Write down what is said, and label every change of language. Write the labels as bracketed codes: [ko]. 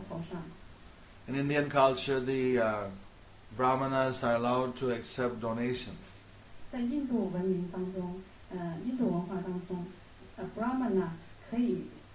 [zh] 他以前从来没有过这样的经历，不知道怎么回事，所有的幸运都降临到他的头上。In [en] Indian culture, the brahmanas are allowed to accept donations. [zh] 在印度文明当中，印度文化当中，brahmana可以